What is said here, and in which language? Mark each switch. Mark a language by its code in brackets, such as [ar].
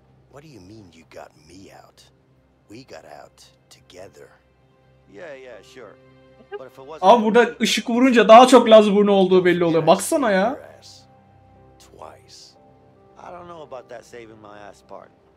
[en] What do you mean you got me out? We got out together. Yeah sure. But if it wasn't... [tr] Abi burada ışık vurunca daha çok Lazburn olduğu belli oluyor. Baksana ya. Twice. [en] I don't know about that saving my ass part.